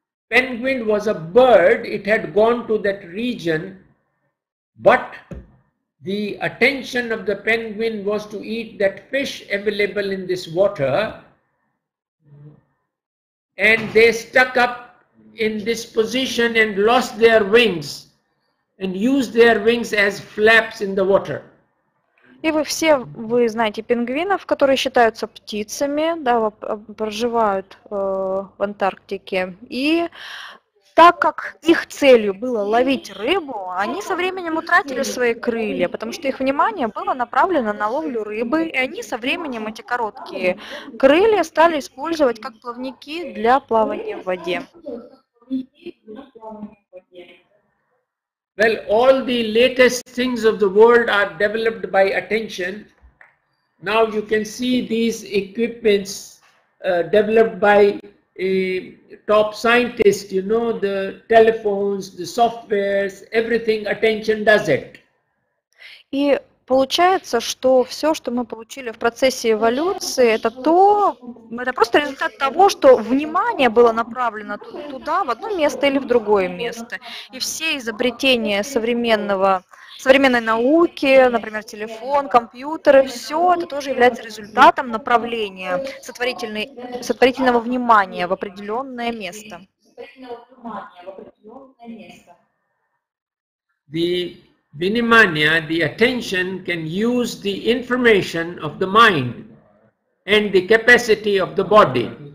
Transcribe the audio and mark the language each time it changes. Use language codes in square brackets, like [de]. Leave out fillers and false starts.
[en] Penguin was a bird, it had gone to that region, but the attention of the penguin was to eat that fish available in this water, and they stuck up in this position and lost their wings. And use their wings as flaps in the water. [ru] И вы все, вы знаете пингвинов, которые считаются птицами, да, проживают в Антарктике. И так как их целью было ловить рыбу, они со временем утратили свои крылья, потому что их внимание было направлено на ловлю рыбы, и они со временем эти короткие крылья стали использовать как плавники для плавания в воде. [en] Well, all the latest things of the world are developed by attention. Now you can see these equipments developed by a top scientist, you know, the telephones, the softwares, everything attention does it. [ru] И получается, что все, что мы получили в процессе эволюции, это просто результат того, что внимание было направлено туда, в одно место или в другое место. И все изобретения современной науки, например, телефон, компьютеры, все это тоже является результатом направления сотворительного внимания в определенное место. [en] The vinimanya, the attention, can use the information of the mind and the capacity of the body.